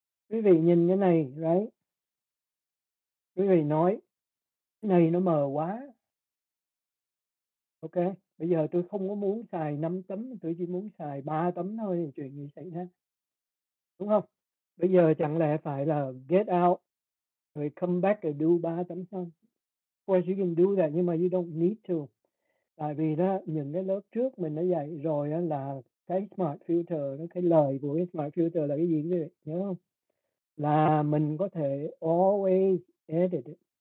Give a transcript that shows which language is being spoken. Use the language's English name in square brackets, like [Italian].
[Vietnamese] Quý vị nhìn cái này, [English] right? [Vietnamese] Quý vị nói cái này nó mờ quá. Ok, bây giờ tôi không có muốn xài 5 tấm, tôi chỉ muốn xài 3 tấm thôi, chuyện gì xảy ra, đúng không? Bây giờ chẳng lẽ phải là [English] get out [Vietnamese] rồi [English] come back and do [Vietnamese] 3 tấm xong. [English] Of course you can do that, [Vietnamese] nhưng mà [English] you don't need to. [Vietnamese] Tại vì đó, những cái lớp trước mình đã dạy rồi đó, là cái smart filter, cái lời của cái smart filter là cái gì, nhớ không? Là mình có thể [English] always edit it.